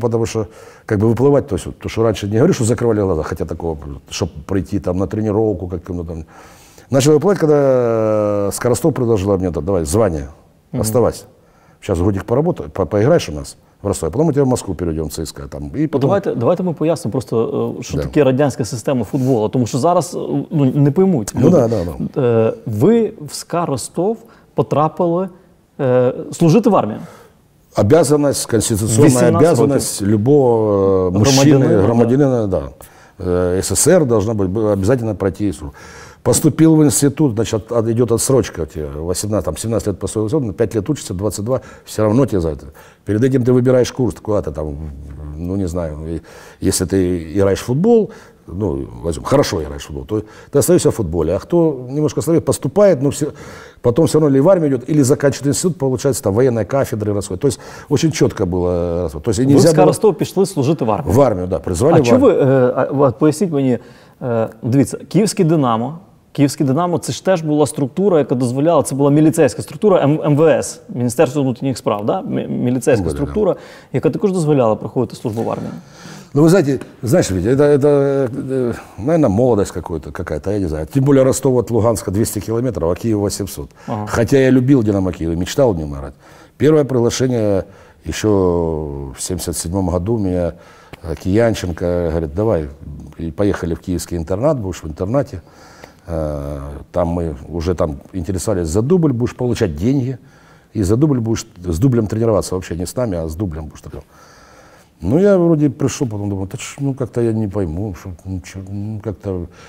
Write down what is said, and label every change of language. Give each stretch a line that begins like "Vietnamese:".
Russian: Потому что как бы выплывать, то есть то, что раньше не говорю, что закрывали глаза, хотя такого, чтобы прийти там на тренировку каким-то там. Начал выплывать, когда Скоростов предложила мне, давай, звание, оставайся. Сейчас годик поработай, поиграешь у нас в Ростове, потом мы тебя в Москву перейдем, ЦСКА. Там, и потом...
Ukrainian: давайте ми пояснимо просто, що да. таке радянська система футболу, тому що зараз ну,
Russian: не поймуть. Ну, да, да, да.
Ukrainian: Ви в СКА Ростов потрапили служити в армію. Обязанность, конституційна обязанность любого мужчини, громадянина, да.
Russian: СССР должна бути, обязательно пройти службу. Поступил в институт, значит, идет отсрочка тебе, 18, там, 17 лет поступил, 5 лет учишься, 22, все равно тебе за это. Перед этим ты выбираешь курс, куда-то там, ну, не знаю, если ты играешь в футбол, ну, возьмем, хорошо играешь в футбол, то ты остаешься в футболе, а кто немножко остается, поступает, но все, потом все равно или в армию идет, или заканчивает институт, получается, там, военная кафедра расходит. То есть, очень четко было расходит. То есть, нельзя было... Вы с Коростова пошли служить в армию? В армию, да, призвали в армию. А что вы, поясните мне...
Ukrainian: дивіться, Київський Динамо, це ж теж була структура, яка дозволяла, це була міліцейська структура, МВС, Міністерство внутрішніх справ, да? Міліцейська структура, яка також дозволяла проходити службу в армії. Ну, ви знаєте, Витя, це, мабуть, молодость якась, я не знаю. Тим більше Ростов від Луганська 200 кілометрів, а Київ 800. Ага. Хоча я любив Динамо Київ, мечтав в ньому грати. Перше приглашення ще в 77-му році мені...
Russian: Киянченко говорит, давай, и поехали в киевский интернат, будешь в интернате. Там мы уже там интересовались, за дубль будешь получать деньги, и за дубль будешь с дублем тренироваться, вообще не с нами, а с дублем будешь тренироваться. Ну, я вроде пришел, потом думаю, ну, как-то я не пойму, что, ну, как-то...